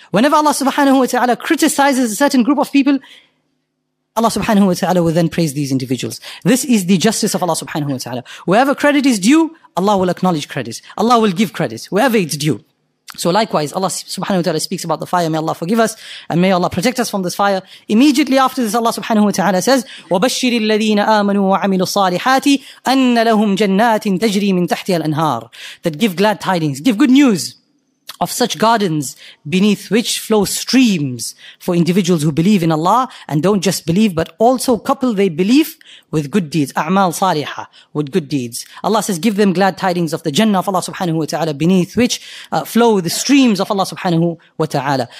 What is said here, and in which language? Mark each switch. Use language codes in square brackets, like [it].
[en] Whenever Allah subhanahu wa ta'ala criticizes a certain group of people, Allah subhanahu wa ta'ala will then praise these individuals. This is the justice of Allah subhanahu wa ta'ala. Wherever credit is due, Allah will acknowledge credit. Allah will give credit wherever it's due. So likewise, Allah subhanahu wa ta'ala speaks about the fire. May Allah forgive us and may Allah protect us from this fire. Immediately after this, Allah subhanahu wa ta'ala says, [ar] وَبَشِّرِ الَّذِينَ آمَنُوا وَعَمِلُوا الصَّالِحَاتِ أَنَّ لَهُمْ جَنَّاتٍ تَجْرِي مِنْ تَحْتِهَا الْأَنْهَارِ. [en] That give glad tidings, give good news of such gardens beneath which flow streams for individuals who believe in Allah and don't just believe, but also couple their belief with good deeds, a'mal saliha, with good deeds. Allah says, give them glad tidings of the Jannah of Allah subhanahu wa ta'ala, beneath which flow the streams of Allah subhanahu wa ta'ala.